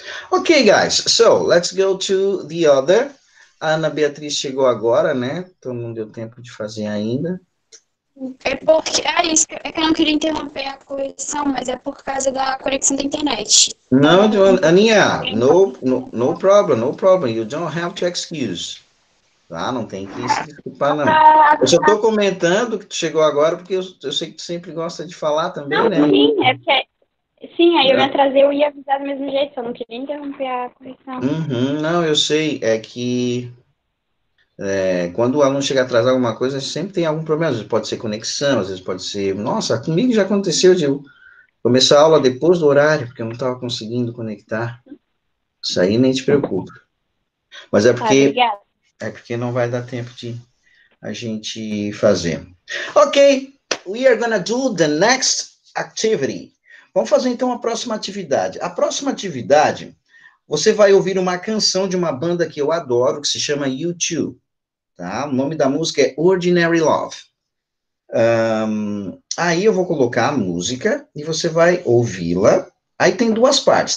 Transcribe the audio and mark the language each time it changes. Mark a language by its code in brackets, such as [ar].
[en] Ok, guys, so let's go to the other. [pt] A Ana Beatriz chegou agora, né? Então não deu tempo de fazer ainda. É porque é isso, é que eu não queria interromper a conexão, mas é por causa da conexão da internet. Não, Então, [en] Aninha, no problem, no problem. You don't have to excuse. Tá? [pt] Não tem que se desculpar, não. Eu só estou comentando que tu chegou agora, porque eu sei que tu sempre gosta de falar também, não, né? sim, é porque sim, aí eu me Não. atrasei, eu ia avisar do mesmo jeito, só não queria interromper a conexão. Não, eu sei, é que quando o aluno chega atrasado alguma coisa, sempre tem algum problema. Às vezes pode ser conexão, às vezes pode ser. Nossa, comigo já aconteceu de começar a aula depois do horário, porque eu não estava conseguindo conectar. Isso aí nem te preocupa. Mas Tá, obrigada. é porque não vai dar tempo de a gente fazer. [en] Ok, we are gonna do the next activity. [pt] Vamos fazer então a próxima atividade. A próxima atividade. Você vai ouvir uma canção de uma banda que eu adoro, que se chama U2, tá? O nome da música é Ordinary Love. Aí eu vou colocar a música e você vai ouvi-la. Aí tem duas partes.